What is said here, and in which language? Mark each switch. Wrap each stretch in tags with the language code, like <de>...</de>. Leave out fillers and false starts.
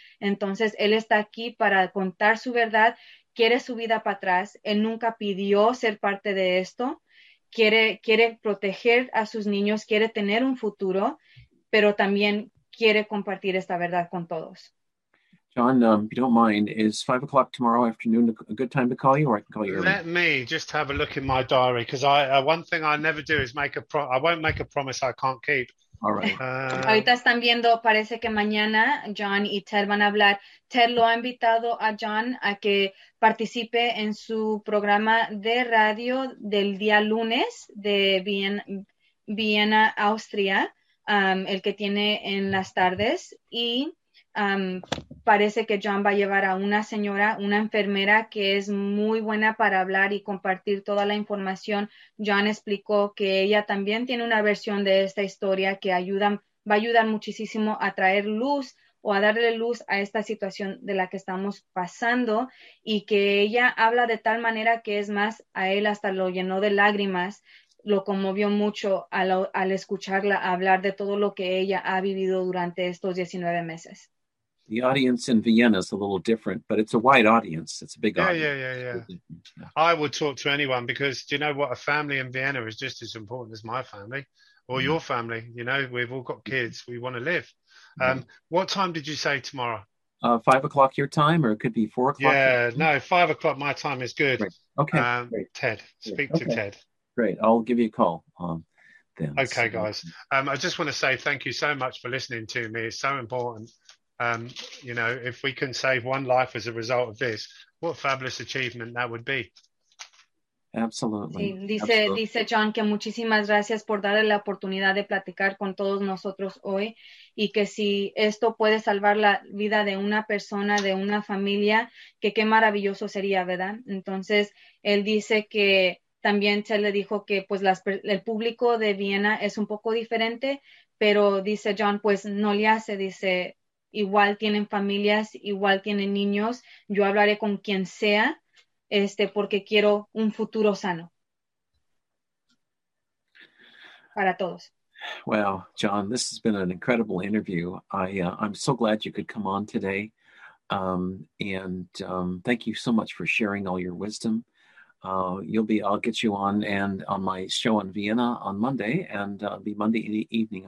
<es>Entonces, él está aquí para contar su verdad, quiere su vida para atrás. Él nunca pidió ser parte de esto, quiere proteger a sus niños, quiere tener un futuro, pero también quiere compartir esta verdad con todos.</es> <en>John, if you don't mind, is 5 o'clock tomorrow afternoon a good time to call you, or I can call you early? Let me just have a look in my diary, because one thing I never do is make a promise. I won't make a promise I can't keep. All right.</en> <es>Ahorita están viendo, parece que mañana John y Ted van a hablar. Ted lo ha invitado a John a que participe en su programa de radio del día lunes de Viena, Austria, el que tiene en las tardes, y parece que John va a llevar a una señora, una enfermera, que es muy buena para hablar y compartir toda la información. John explicó que ella también tiene una versión de esta historia que va a ayudar muchísimo a traer luz o a darle luz a esta situación de la que estamos pasando, y que ella habla de tal manera que es más, a él hasta lo llenó de lágrimas, lo conmovió mucho al escucharla hablar de todo lo que ella ha vivido durante estos 19 meses.</es> <en>The audience in Vienna is a little different, but it's a wide audience. It's a big audience. Yeah. I would talk to anyone, because do you know what? A family in Vienna is just as important as my family or your family. You know, we've all got kids. We want to live. What time did you say tomorrow? 5 o'clock your time, or it could be 4 o'clock. Yeah, no, 5 o'clock my time is good. Great. Okay. Ted, speak to Ted. Great. I'll give you a call. Then. Okay, guys. I just want to say thank you so much for listening to me. It's so important. You know, if we can save one life as a result of this, what a fabulous achievement that would be. Absolutely.</en> <es>Sí, dice John que muchísimas gracias por darle la oportunidad de platicar con todos nosotros hoy, y que si esto puede salvar la vida de una persona, de una familia, que qué maravilloso sería, ¿verdad? Entonces, él dice que también se le dijo que pues el público de Viena es un poco diferente, pero dice John, pues no le hace, dice, igual tienen familias, igual tienen niños. Yo hablaré con quien sea, porque quiero un futuro sano para todos.</es> <en>Wow, John, this has been an incredible interview. I'm so glad you could come on today. Thank you so much for sharing all your wisdom. I'll get you on my show in Vienna on Monday, and it'll be Monday evening.</en>